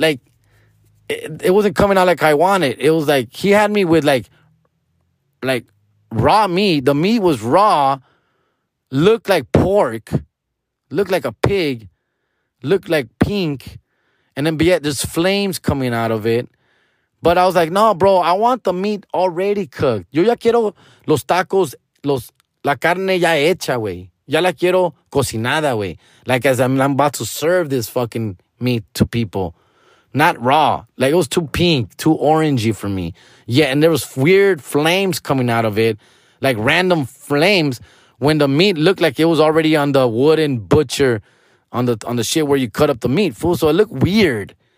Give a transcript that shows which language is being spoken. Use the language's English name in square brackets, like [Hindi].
[English] Like, it wasn't coming out like I wanted. It was like, he had me with like raw meat. The meat was raw. Looked like pork. Looked like a pig. Looked like pink. And then yet there's flames coming out of it. But I was like, no, bro, I want the meat already cooked. [Spanish] Yo ya quiero los tacos, la carne ya hecha, güey. Ya la quiero cocinada, güey. [English] Like, as I'm about to serve this fucking meat to people. Not raw. Like, it was too pink, too orangey for me. Yeah, and there was weird flames coming out of it. Like, random flames. When the meat looked like it was already on the wooden butcher, on the shit where you cut up the meat, fool. So it looked weird.